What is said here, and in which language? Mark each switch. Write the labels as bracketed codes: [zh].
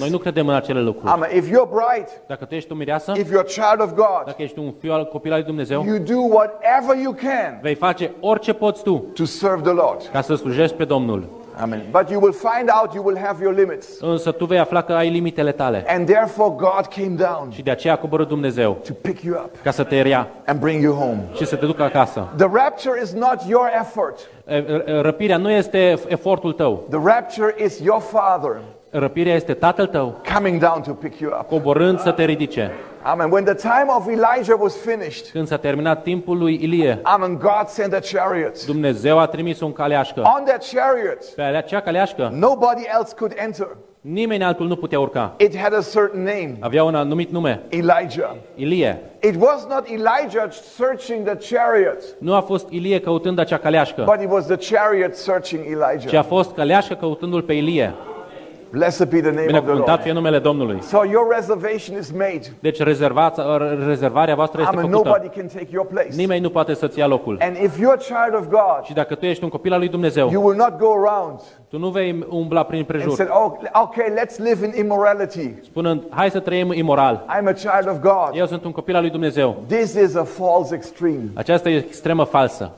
[ro] Noi nu credem în acele lucruri. [en] If you're bride, [ro] dacă tu ești o mireasă, [en] if you're a child of God, [ro] dacă ești un fiu al copil al lui Dumnezeu, [en] you do whatever you can, [ro] vei face orice poți tu, [en] to serve the Lord, [ro] ca să slujești pe Domnul. [en] Amen. But you will find out you will have your limits. [ro] Însă tu vei afla că ai limitele tale. [en] And therefore God came down. [ro] Și de aceea a coborât Dumnezeu. [en] To pick you up. [ro] Ca să te ia. [en] And bring you home. [ro] Și să te ducă acasă. [en] The rapture is not your effort. [ro] Răpirea nu este efortul tău. [en] The rapture is your father. [ro] Răpirea este tatăl tău. [en] Coming down to pick you up. [ro] Coborând să te ridice. [en] Amen. When the time of Elijah was finished. [ro] Când s-a terminat timpul lui Ilie. [en] Amen. God sent a chariot. [ro] Dumnezeu a trimis un caleașcă. [en] On that chariot. [ro] Pe acea caleașcă. [en] Nobody else could enter. [ro] Nimeni altul nu putea urca. [en] It had a certain name. [ro] Avea un anumit nume. [en] Elijah. [ro] Ilie. [en] It was not Elijah searching the chariot. [ro] Nu a fost Ilie căutând acea caleașcă. [en] But it was the chariot searching Elijah. [ro] Ci a fost caleașca căutându-l pe Ilie. [en] Blessed be the name [ro] binecuvântat fie numele Domnului. [en] So your reservation is made. [ro] Deci rezervarea voastră este făcută. [en] Nobody can take your place. [ro] Nimeni nu poate să-ți ia locul. [en] And if you're a child of God, [ro] și dacă tu ești un copil al lui Dumnezeu, [en] you will not go around. [ro] Tu nu vei umbla prin prejur. [en] And said, oh, okay, let's live in immorality. [ro] Spunând, hai să trăim imoral. [en] I'm a child of God. [ro] Eu sunt un copil al lui Dumnezeu. [en] This is a false extreme. [ro] Aceasta este extremă falsă.